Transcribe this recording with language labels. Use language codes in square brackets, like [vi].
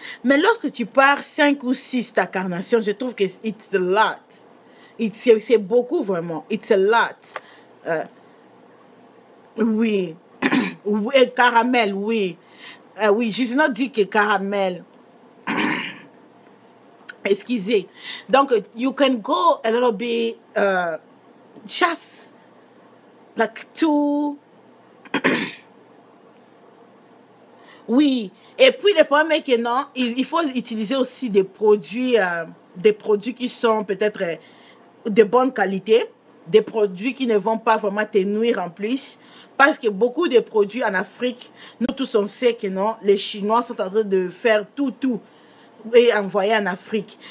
[fr] Mais lorsque tu pars 5 ou 6 ta carnation, je trouve que [en] it's a lot. [fr] C'est beaucoup vraiment. [en] It's a lot. [fr] Oui. Et caramel, oui. Oui, je n'ai pas dit que caramel. Excusez. [en] Donc, you can go a little bit just like two. [fr] Oui, et puis le problème est que non, il faut utiliser aussi des produits qui sont peut-être de bonne qualité, des produits qui ne vont pas vraiment te nuire en plus, parce que beaucoup de produits en Afrique, nous tous on sait que non, les Chinois sont en train de faire tout et envoyer en Afrique.